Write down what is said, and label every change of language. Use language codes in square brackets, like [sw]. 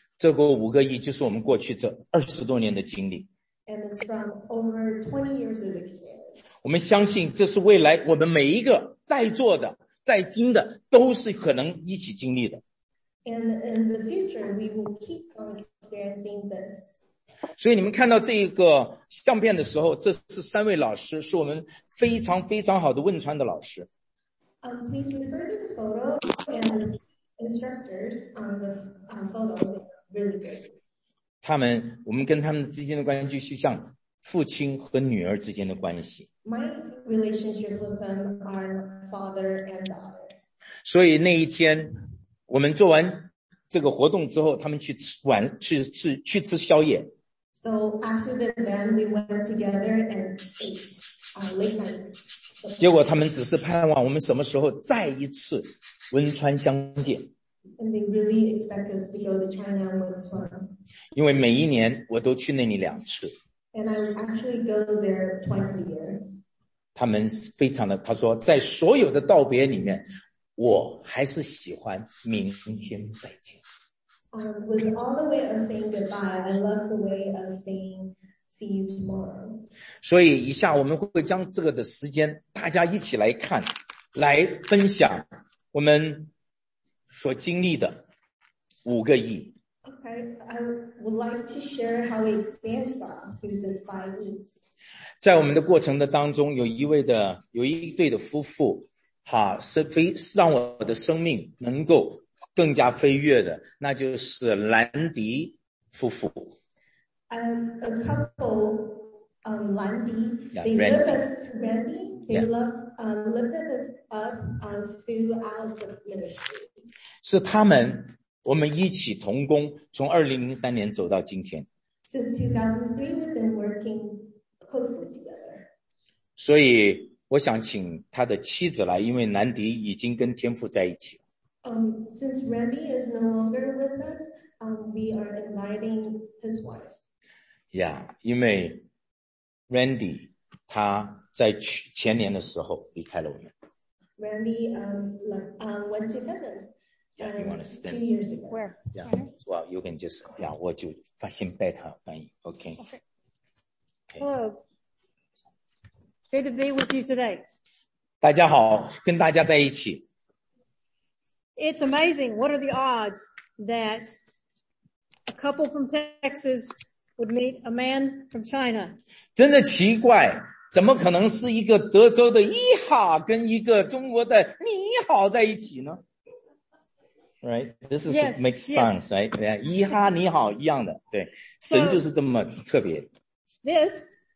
[zh] 这个五个亿就是我们过去这二十多年的经历。 [en] And it's from over 20 years of experience. [zh] 我们相信这是未来我们每一个在座的、在听的都是可能一起经历的。 [en] And in the future, we will keep on experiencing this. [zh] 所以你们看到这一个相片的时候，这是三位老师，是我们非常非常好的汶川的老师。 [en] Please refer to the photo and instructors on the photo. Really good. [zh] 他们，我们跟他们之间的关系就像父亲和女儿之间的关系。 [en] My relationship with them are father and daughter. [zh] 所以那一天，我们做完这个活动之后，他们去吃晚，去吃宵夜。 [en] So after the event, we went together and ate late night. [zh] 结果他们只是盼望我们什么时候再一次汶川相见。 [en] And they really expect us to go to China and 汶川。 [zh] 因为每一年我都去那里两次。 [en] And I actually go there twice a year. [zh] 他们非常的，他说在所有的道别里面，我还是喜欢明天再见。 [en] With all the way of saying goodbye, I love the way of saying see you tomorrow. [zh] 所以以下我们会将这个的时间大家一起来看，来分享我们所经历的五个亿。 [en] Okay, I would like to share how we experienced that through this 5 weeks. [zh] 在我们的过程的当中，有一对的夫妇，让我的生命能够更加飞跃的，那就是兰迪夫妇。 [en] A couple, Randy, they lifted us up throughout the ministry. [zh] 是他们，我们一起同工，从2003年走到今天。 [en] Since 2003, we've been working closely together. [zh] 所以我想请他的妻子来，因为兰迪已经跟天父在一起。 [en] Since Randy is no longer with us, we are inviting his wife. [zh] Yeah, 因为 Randy 他在前年的时候离开了我们。 [en] Randy went to heaven. Yeah, you want to stand? 2 years ago. Where? Yeah. Well, you can just yeah, [zh] 我就先拜他翻译 [en] ，OK. Okay. Hello. Good to be with you today. [zh] 大家好，跟大家在一起。 [en] It's amazing. What are the odds that a couple from Texas would meet a man from China? [zh] 真的奇怪，怎么可能是一个德州的一好跟一个中国的你好在一起呢？ [en] Right, this is yes, makes sense, [zh] right? Yeah, 一哈你好一样的，对，神就是这么特别。 [en] This